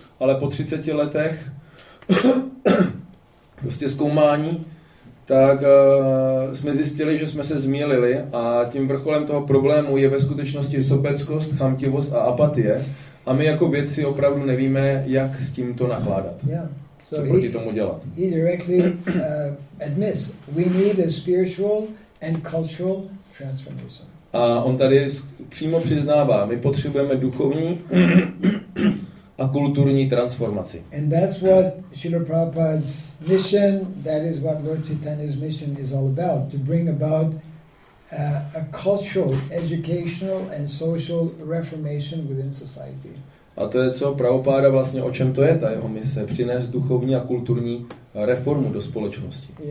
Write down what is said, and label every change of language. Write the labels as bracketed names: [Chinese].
[Czech] Ale po 30 letech prostě zkoumání, tak jsme zjistili, že jsme se zmýlili a tím vrcholem toho problému je ve skutečnosti sobeckost, chamtivost a apatie. A my jako vědci opravdu nevíme, jak s tímto nakládat. Co proti tomu dělat. [English] He directly admits we need a spiritual and cultural transformation. [Czech] A on tady přímo přiznává, my potřebujeme duchovní a kulturní transformaci. [English] And that's what Srila Prabhupada's mission, that is what Lord Chaitanya's mission is all about, to bring about a cultural, educational and social reformation within society. [Czech] A to je co Prabhupada vlastně, o čem to je ta jeho mise, přinést duchovní a kulturní reformu do společnosti.